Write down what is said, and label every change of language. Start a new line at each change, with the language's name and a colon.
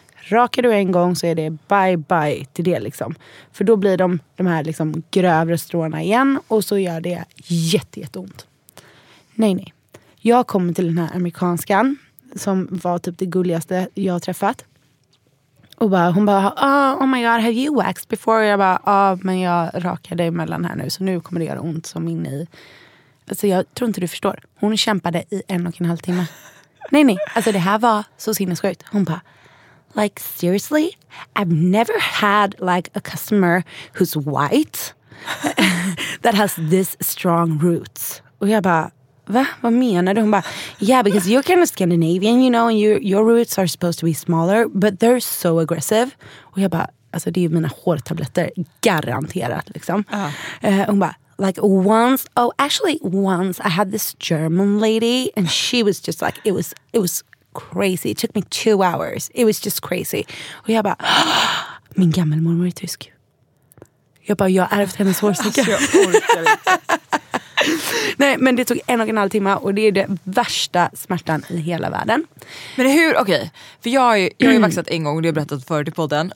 Swedish: Rakar du en gång så är det bye bye till det liksom. För då blir de här liksom grövre stråna igen och så gör det jätteont. Nej, nej. Jag kommer till den här amerikanskan som var typ det gulligaste jag har träffat. Och bara, hon bara,
English: oh my god, have you waxed before?
Swedish: Och jag bara, men jag rakade emellan här nu. Så nu kommer det göra ont som in i. Alltså jag tror inte du förstår. Hon kämpade i 1,5 timmar. Nej, nej. Alltså det här var så sinnessjukt. Hon bara,
English: like seriously? I've never had like a customer who's white that has this strong roots.
Swedish: Och jag bara, va? Vad menar du? Hon bara,
English: yeah, because you're kind of Scandinavian, you know, and your roots are supposed to be smaller, but they're so aggressive.
Swedish: Och jag bara, alltså det är ju mina hårtabletter, garanterat liksom. Hon bara,
English: like once, oh actually once I had this German lady and she was just like, it was crazy. It took me 2 hours. It was just crazy.
Swedish: Och jag bara, min gammal mormor är tysk. Jag bara, jag har ärvt hennes hårstycke. Alltså, nej, men det tog 1,5 timmar och det är det värsta smärtan i hela världen. Men hur, okej, för jag har ju vaxat en gång, det har jag berättat förut i podden.